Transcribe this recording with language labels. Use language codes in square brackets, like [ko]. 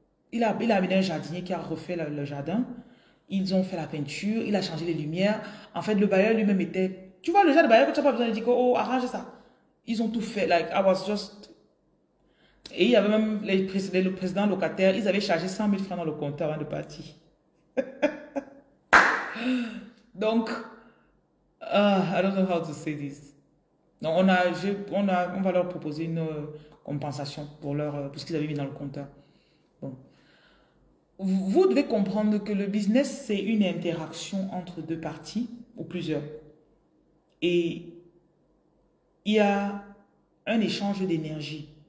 [fr] Il a amené un jardinier qui a refait le jardin. Ils ont fait la peinture, il a changé les lumières. En fait, le bailleur lui-même était... Tu vois, le genre de bailleur, tu n'as pas besoin de dire, oh, arrange ça. Ils ont tout fait, [en] like, I was just... [fr] Et il y avait même le président locataire, ils avaient chargé 100 000 francs dans le compte avant de partir. [en] Donc, I don't know how to say this. [fr] Donc, on va leur proposer une compensation pour leur, pour ce qu'ils avaient mis dans le compte. Bon. Vous devez comprendre que le business, c'est une interaction entre deux parties ou plusieurs. Et il y a un échange d'énergie.